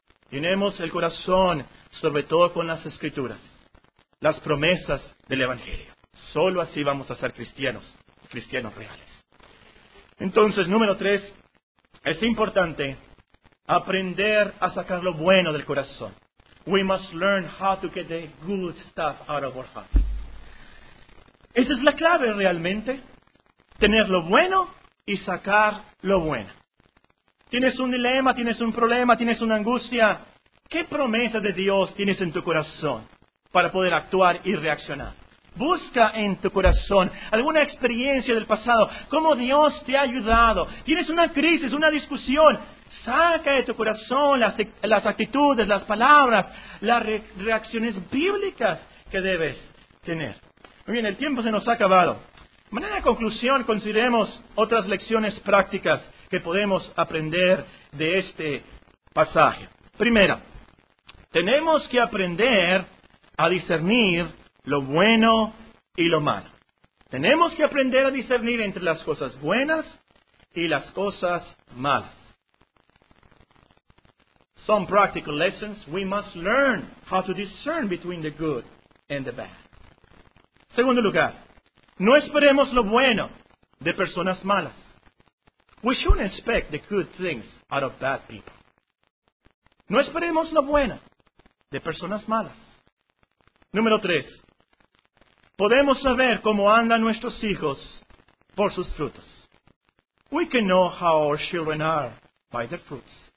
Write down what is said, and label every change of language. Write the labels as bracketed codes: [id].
[es] Llenemos el corazón sobre todo con las Escrituras, las promesas del Evangelio. Solo así vamos a ser cristianos, cristianos reales. Entonces, número tres, es importante aprender a sacar lo bueno del corazón. [en] we must learn how to get the good stuff out of our hearts. [es] Esa es la clave realmente, tener lo bueno y sacar lo bueno. Tienes un dilema, tienes un problema, tienes una angustia. ¿Qué promesa de Dios tienes en tu corazón para poder actuar y reaccionar? Busca en tu corazón alguna experiencia del pasado, cómo Dios te ha ayudado. Tienes una crisis, una discusión, saca de tu corazón las actitudes, las palabras, las reacciones bíblicas que debes tener. Muy bien, el tiempo se nos ha acabado. De manera de conclusión, consideremos otras lecciones prácticas que podemos aprender de este pasaje. Primera, tenemos que aprender a discernir lo bueno y lo malo. Tenemos que aprender a discernir entre las cosas buenas y las cosas malas. [en] Some practical lessons, we must learn how to discern between the good and the bad. [es] Segundo lugar, no esperemos lo bueno de personas malas. [en] We shouldn't expect the good things out of bad people. [es] No esperemos lo bueno de personas malas. Número tres. Podemos saber cómo andan nuestros hijos por sus frutos. [en] We can know how our children are by their fruits.